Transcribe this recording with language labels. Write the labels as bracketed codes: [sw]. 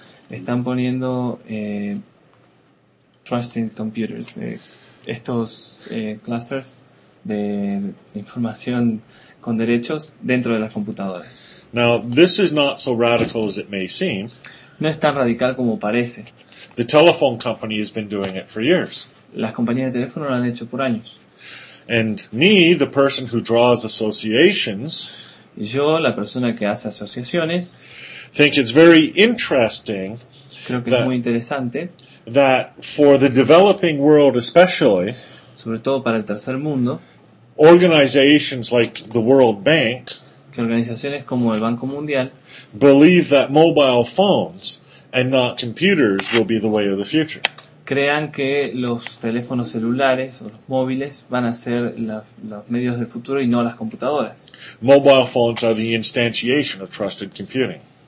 [es] Están poniendo trusted computers, estos clusters de información con derechos dentro de las computadoras. [en] Now, this is not so radical as it may seem. [es] No es tan radical como parece. [en] The telephone company has been doing it for years. [es] Las compañías de teléfono lo han hecho por años. [en] And me, the person who draws associations, [es] yo, la persona que hace asociaciones, [en] think it's very interesting, [es] creo que es muy interesante, [en] that for the developing world especially, [es] sobre todo para el tercer mundo, [en] organizations like the World Bank, [es] que organizaciones como el Banco Mundial, [en] believe that mobile phones and not computers will be the way of the future. [es] Crean que los teléfonos celulares o los móviles van a ser los medios del futuro y no las computadoras. [en] Mobile phones are the instantiation of trusted computing.